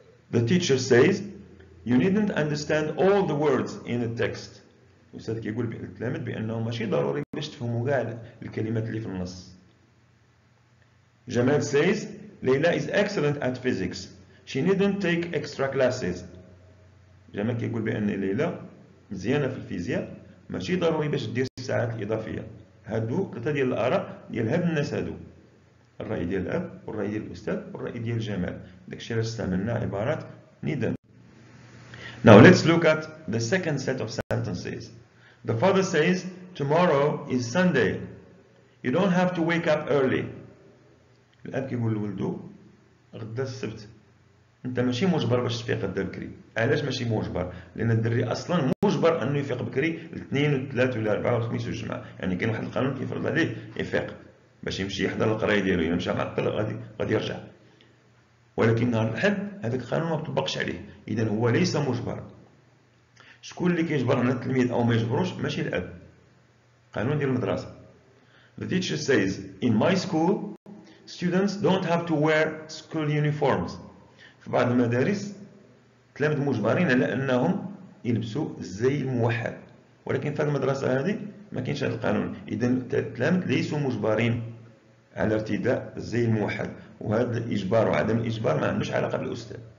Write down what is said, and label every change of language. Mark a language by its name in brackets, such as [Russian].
[English] The teacher says, you needn't understand all the words in the text. [Arabic] الأستاذ كيقول للتلامذ بأنه ماشي ضروري باش تفهموا كاع الكلمات اللي في النص. [English] جمال says, ليلى is excellent at physics. She needn't take extra classes. [Arabic] جمال كيقول بأن ليلى مزيانة في الفيزياء ماشي ضروري باش تدير الساعات الإضافية. هادو ثلاثة ديال الآراء ديال هاد الناس هادو. الرأي ديال الأب والرأي ديال الأستاذ والرأي ديال جمال. داكشي علاش استعملنا عبارة needn't. [English] Now let's look at the second set of sentences. The father says, tomorrow is Sunday. You don't have to wake up early. [Arabic] الأب كيقول لولدو غدا السبت. أنت ماشي مجبر باش تفيق غدا بكري. علاش ماشي مجبر؟ لأن الدري أصلا مجبر أنه يفيق بكري الاثنين والثلاث والأربعة والخميس والجمعة. يعني كاين واحد القانون كيفرض عليه يفيق باش يمشي يحضر القراية ديالو. إلا مشى معطل غادي يرجع. ولكن نهار الأحد هذاك القانون ما طبقش عليه. إذا هو ليس مجبر. شكون اللي كيجبر على التلميذ أو ما يجبروش؟ ماشي الأب. قانون ديال المدرسة. [English] The teacher says, in my school, students don't have to wear school uniforms. [Arabic] في بعض المدارس التلاميذ مجبرين على أنهم يلبسوا الزي الموحد. ولكن في المدرسة هذه ما كاينش هذا القانون. إذا التلاميذ ليسوا مجبرين على ارتداء الزي الموحد. وهذا الإجبار وعدم الإجبار ما عندوش علاقة بالأستاذ.